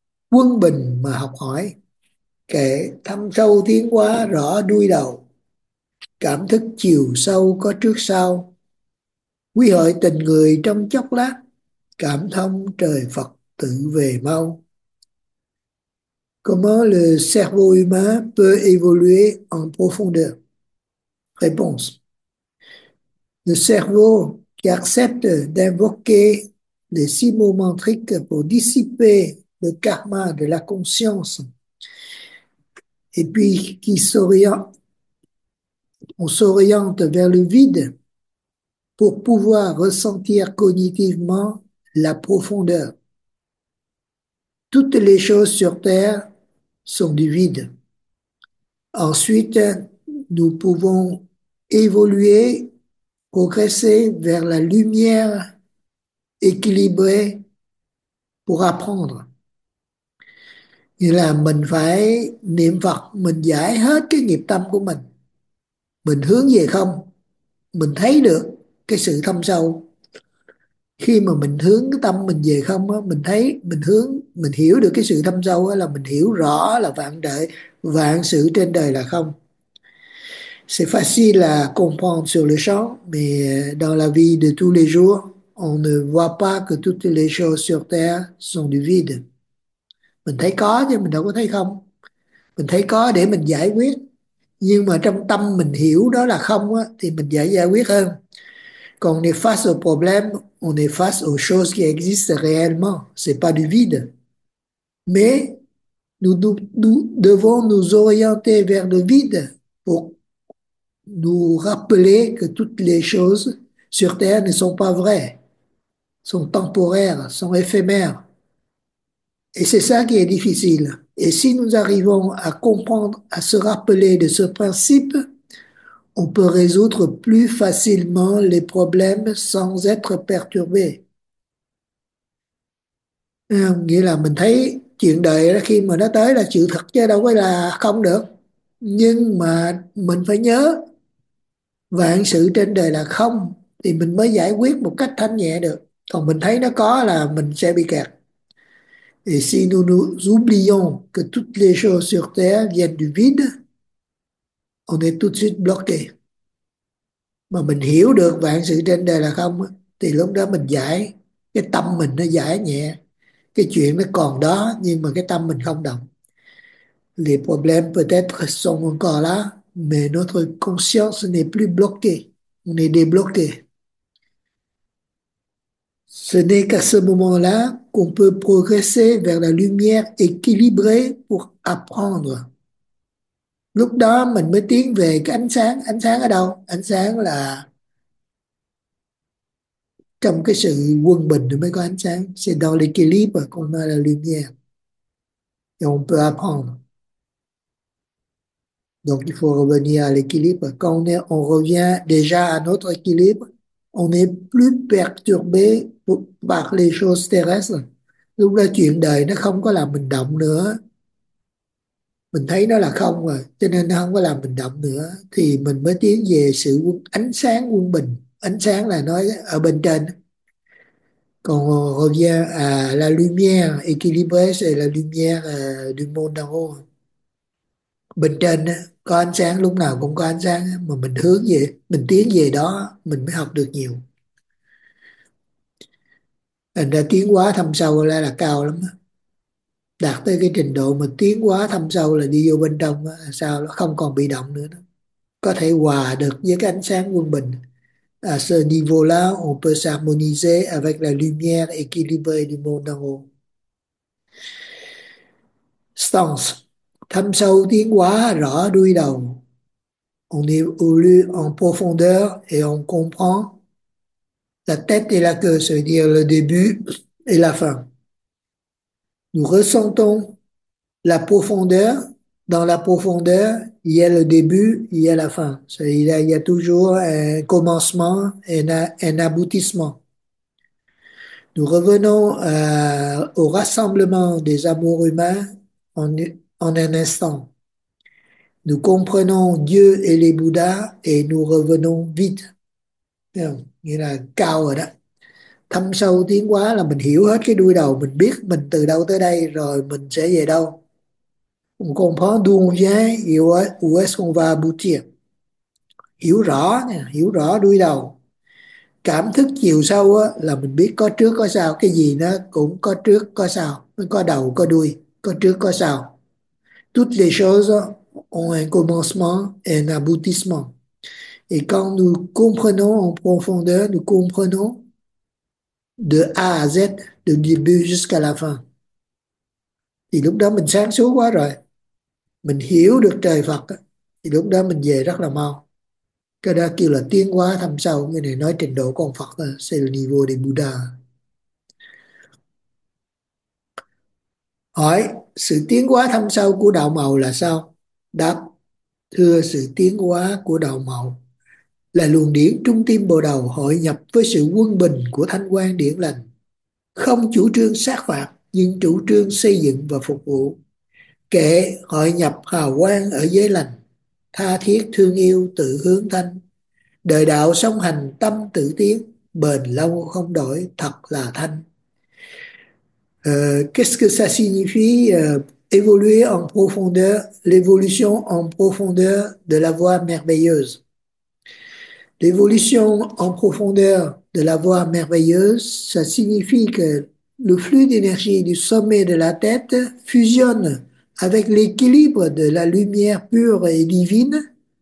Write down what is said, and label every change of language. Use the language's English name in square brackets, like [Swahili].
[Vietnamese] Quân bình mà học hỏi, kệ thâm sâu tiến hóa rõ đuôi đầu. Cảm thức chiều sâu có trước sau, quy hội tình người trong chốc lát. Cảm thông trời Phật tự về mau. [French] Comment le cerveau humain peut évoluer en profondeur? Réponse. Le cerveau qui accepte d'invoquer les six moments tricks pour dissiper le karma de la conscience et puis qui s'oriente, on s'oriente vers le vide pour pouvoir ressentir cognitivement la profondeur. Toutes les choses sur Terre sont du vide. Ensuite, nous pouvons évoluer, progresser vers la lumière équilibrée pour apprendre. [Vietnamese] Nghĩa là mình phải niệm Phật, mình giải hết cái nghiệp tâm của mình. Mình hướng về không, mình thấy được cái sự thâm sâu. Khi mà mình hướng cái tâm mình về không á, mình thấy, mình hướng, mình hiểu được cái sự thâm sâu á, là mình hiểu rõ là vạn đời, vạn sự trên đời là không. [French] C'est facile à comprendre sur le champ, mais dans la vie de tous les jours, on ne voit pas que toutes les choses sur terre sont du vide. [Vietnamese] Mình thấy có chứ mình đâu có thấy không. Mình thấy có để mình giải quyết. Nhưng mà trong tâm mình hiểu đó là không á, thì mình dễ giải quyết hơn. Còn [French] on est face au problème, on est face aux choses qui existent réellement. C'est pas du vide. Mais nous devons nous orienter vers le vide pour nous rappeler que toutes les choses sur Terre ne sont pas vraies, sont temporaires, sont éphémères. Et c'est ça qui est difficile. Et si nous arrivons à comprendre, à se rappeler de ce principe, on peut résoudre plus facilement les problèmes sans être perturbé. [Vietnamese] Nghĩa là mình thấy chuyện đời khi mà nó tới là sự thật chứ đâu phải là không được. Nhưng mà mình phải nhớ vạn sự trên đời là không thì mình mới giải quyết một cách thanh nhẹ được. Còn mình thấy nó có là mình sẽ bị kẹt. [French] Et si nous nous oublions que toutes les choses sur Terre viennent du vide, on est tout de suite bloqué. [Vietnamese] Mà mình hiểu được vạn sự trên đời là không, thì lúc đó mình giải, cái tâm mình nó giải nhẹ. Cái chuyện nó còn đó, nhưng mà cái tâm mình không động. [French] Les problèmes peut-être sont encore là, mais notre conscience n'est plus bloquée. On est débloqué. Ce n'est qu'à ce moment-là qu'on peut progresser vers la lumière équilibrée pour apprendre. [Vietnamese] Lúc đó mình mới tiến về cái ánh sáng. Ánh sáng ở đâu? Ánh sáng là trong cái sự quân bình thì mới có ánh sáng. [French] C'est dans l'équilibre qu'on a la lumière. Et on peut apprendre. Donc, il faut revenir à l'équilibre. Quand on revient déjà à notre équilibre, on n'est plus perturbé par les choses terrestres. [Vietnamese] Lúc là chuyện đời nó không có làm mình động nữa. Mình thấy nó là không rồi, cho nên nó không có làm mình động nữa. Thì mình mới tiến về sự ánh sáng quân bình. Ánh sáng là nói ở bên trên. Còn [French] on revient à la lumière, équilibrée, c'est la lumière du monde d'en haut. [Vietnamese] Bên trên có ánh sáng, lúc nào cũng có ánh sáng, mà mình hướng về, mình tiến về đó mình mới học được nhiều. Thành ra tiến hóa thâm sâu là cao lắm, đạt tới cái trình độ mà tiến hóa thâm sâu là đi vô bên trong đó, sao nó không còn bị động nữa đó. Có thể hòa được với cái ánh sáng quân bình. [French] À ce niveau-là, on peut s'harmoniser avec la lumière équilibrée du monde d'en haut. Stance. [Vietnamese] Thâm sâu tiến hóa rõ đuôi đầu. [French] On évolue en profondeur et on comprend la tête et la queue, c'est-à-dire le début et la fin. Nous ressentons la profondeur. Dans la profondeur, il y a le début, il y a la fin. Il y a toujours un commencement et un aboutissement. Nous revenons au rassemblement des amours humains en un instant. Nous comprenons Dieu et les Bouddhas et nous revenons vite. [Vietnamese] Nghĩa là cao rồi đó. Thâm sâu tiến hóa là mình hiểu hết cái đuôi đầu, mình biết mình từ đâu tới đây rồi mình sẽ về đâu. Mình không có đuôi giá hiểu ấy, US và Putin. Hiểu rõ nè, hiểu rõ đuôi đầu. Cảm thức chiều sâu á, là mình biết có trước có sau, cái gì nó cũng có trước có sau, nó có đầu có đuôi, có trước có sau. [French] Toutes les choses ont un commencement et un aboutissement. Et quand nous comprenons en profondeur, nous comprenons de A à Z, du début jusqu'à la fin. [Vietnamese] Thì lúc đó mình sáng suốt quá rồi. Mình hiểu được trời Phật. Thì lúc đó mình về rất là mau. Cái đó kêu là tiến hóa thâm sâu. Người này nói trình độ con Phật là [French] Niveau de Buddha. [Vietnamese] Hỏi, sự tiến hóa thâm sâu của đạo màu là sao? Đáp, thưa sự tiến hóa của đạo màu là luồng điển trung tâm bồ đầu hội nhập với sự quân bình của thanh quang điển lành, không chủ trương sát phạt nhưng chủ trương xây dựng và phục vụ, kệ hội nhập hào quang ở giới lành, tha thiết thương yêu tự hướng thanh, đời đạo song hành tâm tự tiến, bền lâu không đổi thật là thanh. [French] Qu'est-ce que ça signifie évoluer en profondeur, l'évolution en profondeur de la voie merveilleuse? L'évolution en profondeur de la voie merveilleuse, ça signifie que le flux d'énergie du sommet de la tête fusionne avec l'équilibre de la lumière pure et divine.